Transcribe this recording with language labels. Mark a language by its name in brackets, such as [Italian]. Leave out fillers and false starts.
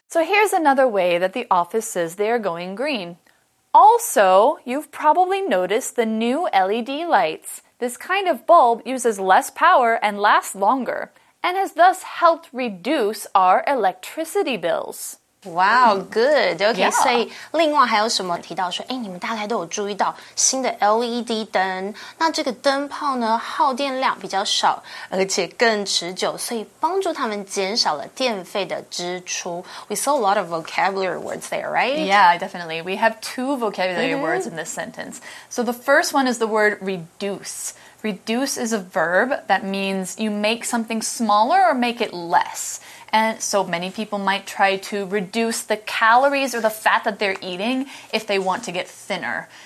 [English] So here's another way that the office says they are going green. Also, you've probably noticed the new LED lights. This kind of bulb uses less power and lasts longer. And has thus helped reduce our electricity bills. Wow, good. Okay, yeah. [Chinese] 所以另外还有什么提到说，哎，你们大概都有注意到新的 [English] LED [Chinese] 灯，那这个灯泡呢，耗电量比较少，而且更持久，所以帮助他们减少了电费的支出。 [English] We saw a lot of vocabulary words there, right? Yeah, definitely. We have two vocabulary words in this sentence. So the first one is the word reduce. Reduce is a verb that means you make something smaller or make it less. And so many people might try to reduce the calories or the fat that they're eating if they want to get thinner.